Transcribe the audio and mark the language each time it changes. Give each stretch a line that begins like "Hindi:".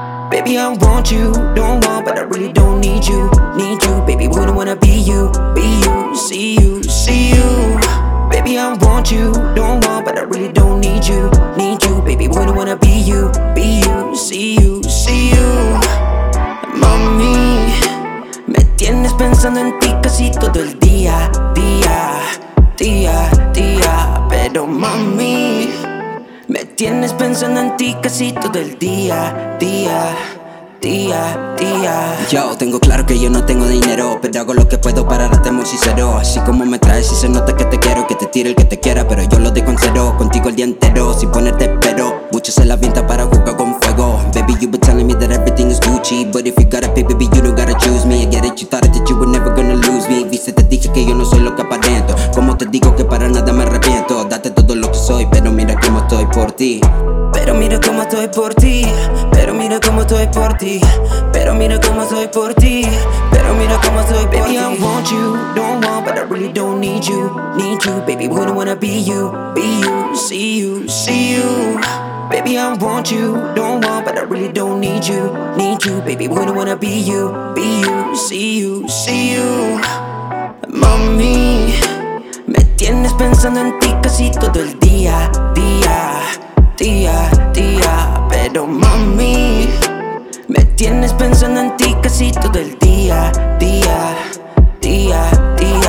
English: Baby, I want you, don't want, but I really don't need you. Need you, baby, wouldn't wanna be you, see you, see you. Baby, I want you, don't want, but I really don't need you. Need you, baby, wouldn't wanna be you, see you, see you.
Spanish: Mami, me tienes pensando en ti casi todo el día, día, día, día. Pero mami, me tienes pensando en ti casi todo el día, día, día, día. Yo tengo claro que yo no tengo dinero, pero hago lo que puedo para darte muy sincero. Así como me traes y se nota que te quiero, que te tire el que te quiera, pero yo lo dejo en cero. Contigo el día entero sin ponerte pero, muchos se la vienta para jugar con fuego.
English: Baby, you been telling me that everything is Gucci, but if you gotta pay, baby, you don't gotta choose me. I get it, you thought that you were never gonna lose me.
Spanish: Viste, te dije que yo no soy lo que aparento. Como te digo que para nada me arrepiento. Date todo lo que soy, pero mira cómo estoy por ti. Pero mira cómo estoy por ti. Pero mira cómo estoy por ti. Pero mira cómo estoy por ti. Pero mira cómo estoy por ti.
English: Baby, I want you, don't want, but I really don't need you. Need you, baby, wouldn't wanna be you, see you, see you. Baby, I want you, don't want, but I really don't need you. Need you, baby, wouldn't wanna be you, see you, see you.
Spanish: Mami, me tienes pensando en ti casi todo el día, día, día, día. Pero mami, me tienes pensando en ti casi todo el día, día, día, día.